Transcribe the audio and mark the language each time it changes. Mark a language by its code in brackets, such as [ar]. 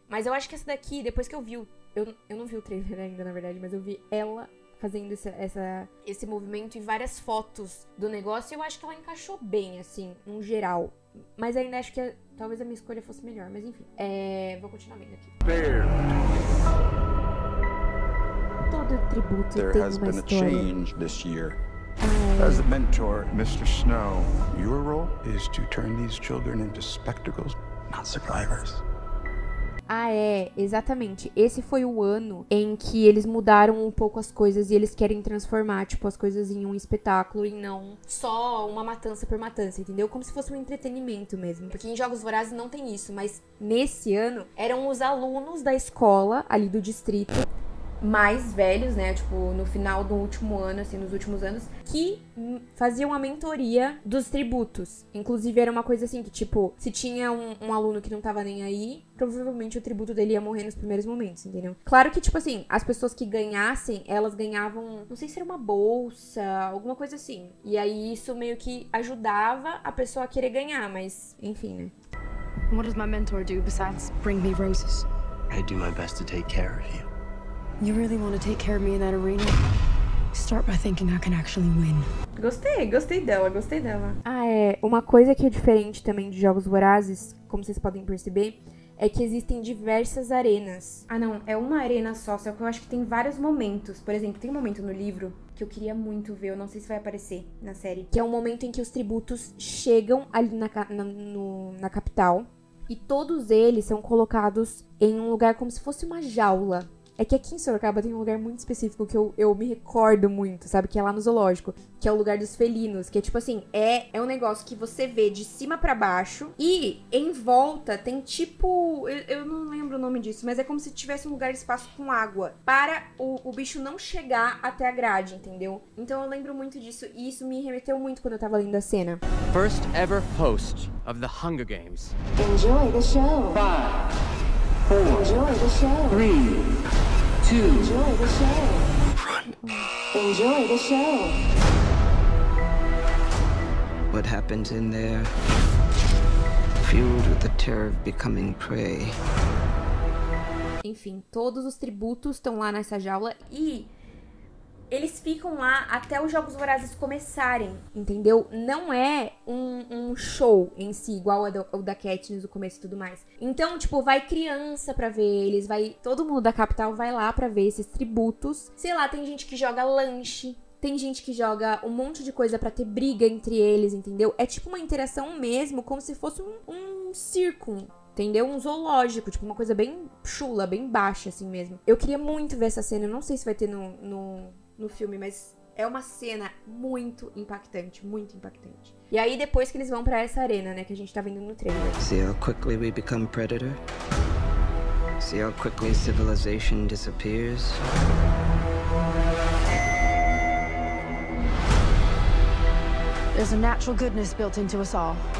[pt] Mas eu acho que essa daqui, depois que eu vi o... Eu não vi o trailer ainda, na verdade, mas eu vi ela fazendo esse movimento e várias fotos do negócio, eu acho que ela encaixou bem, assim, no geral. Mas ainda acho que talvez a minha escolha fosse melhor, mas enfim. Vou continuar vendo aqui. Todo tributo tem uma história. Há uma [en] change this year. As a mentor, Mr. Snow, your role is to turn these children into spectacles, not survivors. [pt] Ah, é, exatamente. Esse foi o ano em que eles mudaram um pouco as coisas e eles querem transformar, tipo, as coisas em um espetáculo e não só uma matança por matança, entendeu? Como se fosse um entretenimento mesmo. Porque em Jogos Vorazes não tem isso, mas nesse ano eram os alunos da escola ali do distrito mais velhos, né? Tipo, no final do último ano, assim, nos últimos anos, que faziam a mentoria dos tributos. Inclusive, era uma coisa assim que, tipo, se tinha um aluno que não tava nem aí, provavelmente o tributo dele ia morrer nos primeiros momentos, entendeu? Claro que, tipo assim, as pessoas que ganhassem, elas ganhavam, não sei se era uma bolsa, alguma coisa assim. E aí, isso meio que ajudava a pessoa a querer ganhar, mas, enfim, né? [en] What does my mentor do besides bring me roses? I do my best to take care of you. You really want to take care of me in that arena? Start by thinking I can actually win. [pt] Gostei dela. Ah, é. Uma coisa que é diferente também de Jogos Vorazes, como vocês podem perceber, é que existem diversas arenas. Ah, não. É uma arena só, só que eu acho que tem vários momentos. Por exemplo, tem um momento no livro que eu queria muito ver, eu não sei se vai aparecer na série, que é o momento em que os tributos chegam ali na capital e todos eles são colocados em um lugar como se fosse uma jaula. É que aqui em Sorocaba tem um lugar muito específico que eu me recordo muito, sabe? Que é lá no zoológico, que é o lugar dos felinos. Que é tipo assim, é um negócio que você vê de cima pra baixo e em volta tem tipo... Eu não lembro o nome disso, mas é como se tivesse um lugar de espaço com água para o bicho não chegar até a grade, entendeu? Então eu lembro muito disso e isso me remeteu muito quando eu tava lendo a cena. [en] First ever host of the Hunger Games. Enjoy the show. Five. Enjoy the show. 3, 2, enjoy the show. Enjoy the show. What happens in there? Fueled with the terror of becoming prey. [pt] Enfim, todos os tributos estão lá nessa jaula e eles ficam lá até os Jogos Vorazes começarem, entendeu? Não é um show em si, igual o da Katniss, o começo e tudo mais. Então, tipo, vai criança pra ver eles, vai... Todo mundo da capital vai lá pra ver esses tributos. Sei lá, tem gente que joga lanche, tem gente que joga um monte de coisa pra ter briga entre eles, entendeu? É tipo uma interação mesmo, como se fosse um circo. Entendeu? Um zoológico, tipo, uma coisa bem chula, bem baixa, assim mesmo. Eu queria muito ver essa cena, eu não sei se vai ter no filme, mas é uma cena muito impactante, muito impactante. E aí, depois que eles vão pra essa arena, né, que a gente tá vendo no trailer. [en] See how quickly we become predator? See how quickly civilization disappears? There's a natural goodness built into us all.